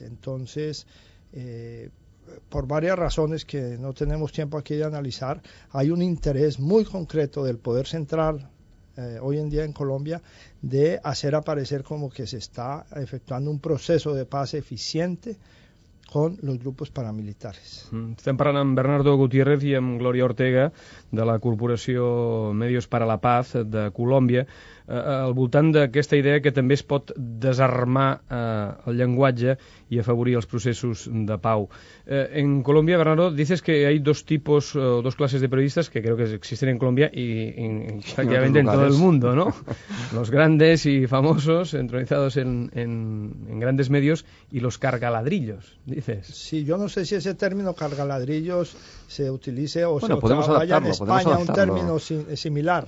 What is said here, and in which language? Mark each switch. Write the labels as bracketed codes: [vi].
[es] Entonces, por varias razones que no tenemos tiempo aquí de analizar, hay un interés muy concreto del poder central hoy en día en Colombia de hacer aparecer como que se está efectuando un proceso de paz eficiente con los grupos paramilitares. [ca] Estem parlant amb Bernardo Gutiérrez i amb Gloria Ortega de la Corporació Medios para la Paz de Colòmbia, al voltant d'aquesta idea que també es pot desarmar el llenguatge i afavorir els processos de pau. [es] En Colòmbia, Bernardo, dices que hay dos tipos o dos classes de periodistas que creo que existen en Colòmbia y prácticamente en todo el mundo, ¿no? Los grandes y famosos entronizados en grandes medios y los cargaladrillos, dices. Sí, yo no sé si ese término cargaladrillos se utilice o bueno, se podemos otra, adaptarlo, vaya en España podemos un término similar.